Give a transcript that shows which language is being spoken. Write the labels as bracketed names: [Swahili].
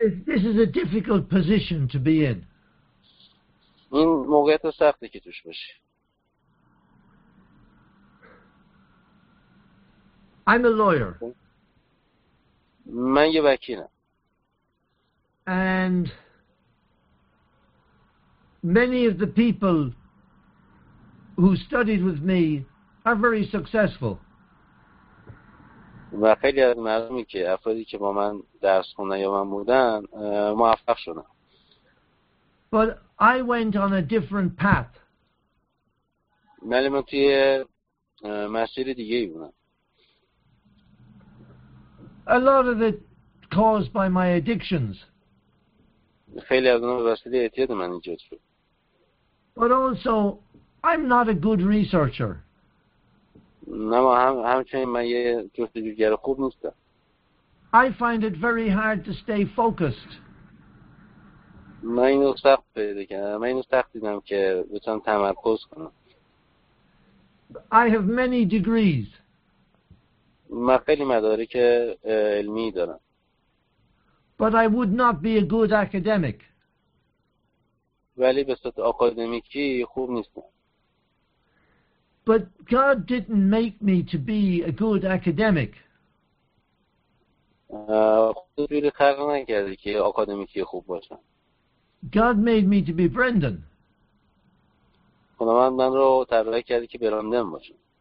[English] This is a difficult position to be in. [Persian] این موقعیت سختی که توش باشی. [English] I'm a lawyer. [Persian] من یه وکیلم. [English] And many of the people who studied with me are very successful. [Persian] و خیلی از مردمی که افرادی که با من درس خوندن یا من بودن موفق شدن. [English] But I went on a different path. [Persian] من توی مسیر دیگه ای بودم. [English] A lot of it caused by my addictions. [Persian] خیلی از اون وسیله اعتیاد من ایجاد شد. [English] But also, I'm not a good researcher. [Persian] همچنین من یه جستجوگر خوب نیستم. [English] I find it very hard to stay focused. [Persian] من اینو سخت دیدم که بتونم تمرکز کنم. [English] I have many degrees. [Persian] من خیلی مدارک علمی دارم. [English] But I would not be a good academic. [Persian] ولی به صورت آکادمیکی خوب نیستم. [English] But God didn't make me to be a good academic. [Persian] خودتون خلق نکردی که آکادمیکی خوب باشم. [English] God made me to be Brendan. [Persian] خداوند من رو طراحی کردی که برندن باشم.